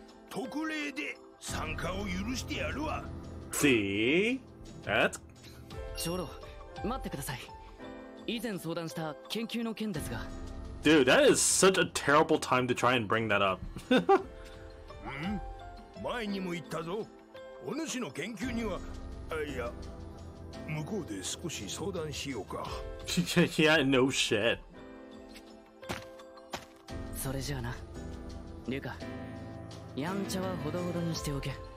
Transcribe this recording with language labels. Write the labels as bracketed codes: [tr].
[ja] 特例で参加を許してやるわ。 [en] See? That's... [ja] チョロ、待ってください。以前相談した研究の件ですが。 [en] Dude, that is such a terrible time to try and bring that up. [ja] 前にも言ったぞ。お主の研究には、あ、いや、向こうで少し相談しようか。 [en] Yeah, no shit. [ja] それじゃあな、リュカ、やんちゃはほどほどにしておけ。